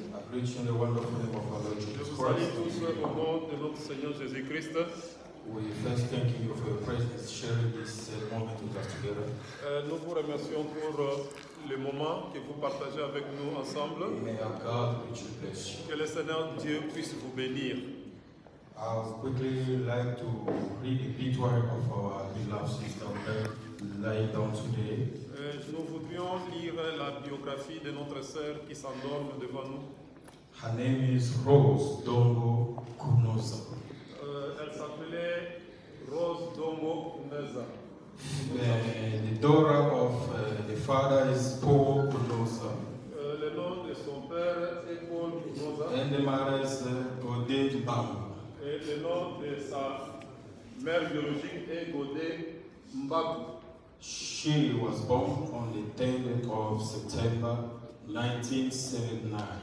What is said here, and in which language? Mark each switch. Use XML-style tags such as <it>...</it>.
<en>preaching the wonderful name of our Lord Jesus Christ. We first thank you for your presence, sharing this moment with us together.</en> <fr>Nous vous remercions pour le moment que vous partagez avec nous ensemble.</fr> <en>May our God which you bless you.</en> <fr>Que le Seigneur Dieu puisse vous bénir.</fr> <en>I would quickly like to read the obituary of our beloved sister lying down today.</en> <fr>Nous voudrions lire la biographie de notre sœur qui s'endorme devant nous.</fr> <en>Her name is Rose Dongo Kunoza.</en> <fr>Elle s'appelait Rose Dongo Kunoza.</fr> <en>The daughter of the father is Paul Kunoza.</en> <fr>Le nom de son père est Paul Kunoza.</fr> <en>And the mother is Godet Mbamba.</en> <fr>Et le nom de sa mère biologique est Godet Mbamba.</fr> <en>She was born on the 10th of September 1979.</en>